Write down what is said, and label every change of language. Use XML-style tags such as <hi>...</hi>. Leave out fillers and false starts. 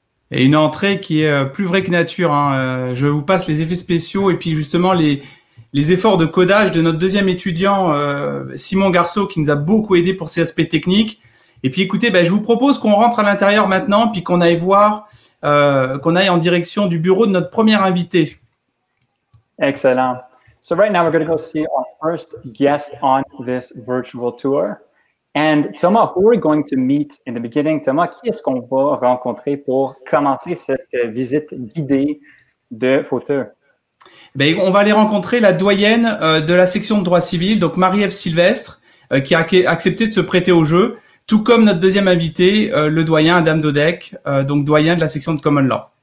<fr>Et une entrée qui est plus vraie que nature, hein. Je vous passe les effets spéciaux et puis justement les efforts de codage de notre deuxième étudiant, Simon Garceau, qui nous a beaucoup aidé pour ces aspects techniques. Et puis écoutez, ben, je vous propose qu'on rentre à l'intérieur maintenant, puis qu'on aille voir, qu'on aille en direction du bureau de notre premier invité. Excellent.</fr> <en>So right now we're going to go see our first guest on this virtual tour. And Thomas, who are we going to meet in the beginning?</en> <fr>Thomas, qui est-ce qu'on va rencontrer pour commencer cette visite guidée de fauteuil? Ben, on va aller rencontrer la doyenne de la section de droit civil, donc Marie-Ève Sylvestre, qui a accepté de se prêter au jeu, tout comme notre deuxième invité, le doyen Adam Dodek, donc doyen de la section de Common Law.</fr>